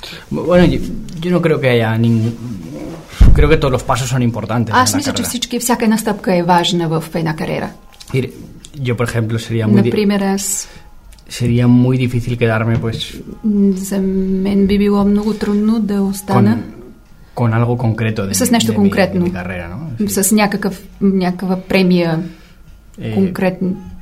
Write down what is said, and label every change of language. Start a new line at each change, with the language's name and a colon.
Spanish: Bueno, yo no creo que haya ningún... Creo que todos los pasos son importantes.
Bulgarian: Аз мисля, че всички, всяка една стъпка е важна в една кариера.
Spanish: Yo, por ejemplo, sería muy... Sería muy difícil quedarme, pues...
Bulgarian: За мен би било много трудно да остана...
Spanish: Con algo concreto de,
Bulgarian: с нещо
Spanish: de
Bulgarian: конкретно.
Spanish: Mi carrera, ¿no?
Bulgarian: Sí. С някакъв, някаква премия конкретно.